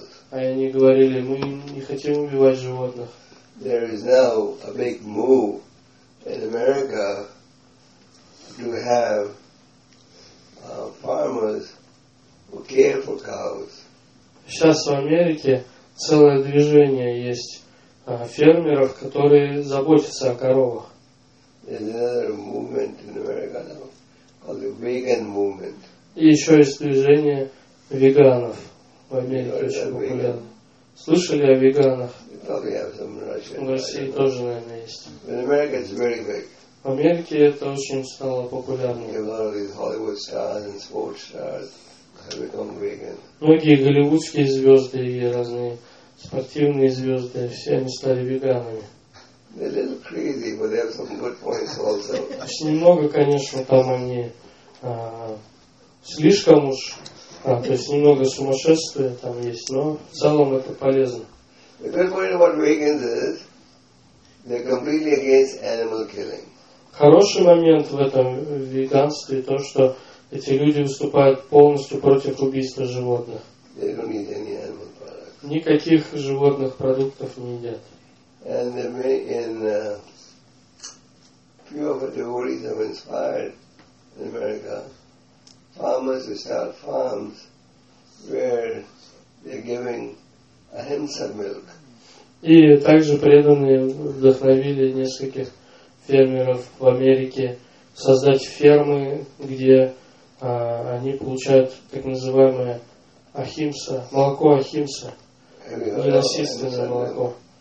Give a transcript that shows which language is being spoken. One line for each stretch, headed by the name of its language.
Russian: А они говорили, мы не хотим убивать животных.
English: There is now a big move in America to have farmers who care for cows.
Russian: Сейчас в Америке целое движение есть фермеров, которые заботятся о коровах.
English: There's another movement in America now called the vegan movement.
Russian: И еще есть движение веганов в Америке, очень популярно. Слышали о веганах? В России тоже, наверное, есть.
English: In America it's very big.
Russian: В Америке это очень стало популярным.
English: A lot of these Hollywood stars and sports stars have become vegan.
Russian: Многие голливудские звезды и разные спортивные звезды, все они стали веганами.
English: They're a little crazy, but they have some good points also.
Russian: Немного, конечно, там они слишком уж, то есть немного сумасшествия там есть, но в целом это полезно.
English: The good point about vegans is they're completely against animal killing.
Russian: Хороший момент в этом веганстве то, что эти люди выступают полностью против убийства животных.
English: They don't eat any animal products.
Russian: Никаких животных продуктов не едят.
English: And in few of the devotees have inspired in America farmers who start farms where they're giving ahimsa milk.
Russian: И также преданные вдохновили нескольких фермеров в Америке создать фермы, где они получают так называемое ахимса, молоко ахимса, ненасильственное молоко.